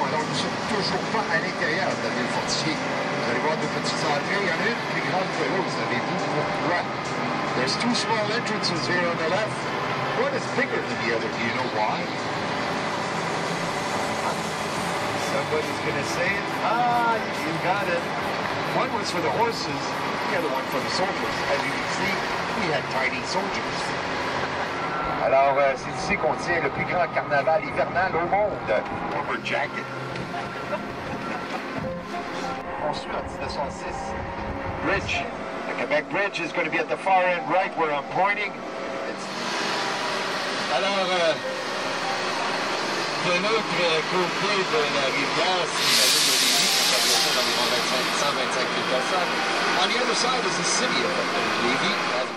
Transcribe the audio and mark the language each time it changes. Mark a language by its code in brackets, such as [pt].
[fr] Alors nous ne sommes toujours pas à l'intérieur de la ville fortifiée. Vous allez voir deux petites entrées. Il y en a une plus grande que l'autre, vous avez vu. Pourquoi? [en] There's two small entrances here on the left. One is bigger than the other. Do you know why? Somebody's going to say it. Ah, you got it. One was for the horses, the other one for the soldiers. As you can see, we had tiny soldiers. [fr] Alors, c'est ici qu'on tient le plus grand carnaval hivernal au monde. [en] Rubber jacket. [fr] Construit en 1906. Bridge. [en] The Quebec Bridge is going to be at the far end right where I'm pointing. [fr] Alors, de l'autre côté de la rivière, si vous avez le début, ça va être environ 125 000 personnes. [en] On the other side is the city of Lévis.